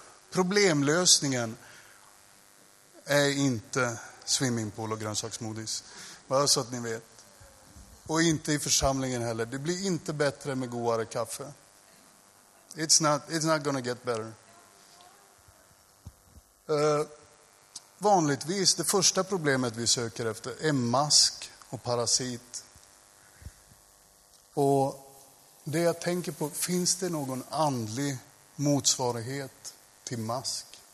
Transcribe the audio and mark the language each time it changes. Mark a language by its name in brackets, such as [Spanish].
[Swedish] Problemlösningen är inte swimmingpool och grönsaksmodis, bara så att ni vet. Och inte i församlingen heller. Det blir inte bättre med godare kaffe. [English] It's not gonna get better. [Swedish] Vanligtvis, det första problemet vi söker efter är mask och parasit. Och det jag tänker på, finns det någon andlig motsvarighet till mask?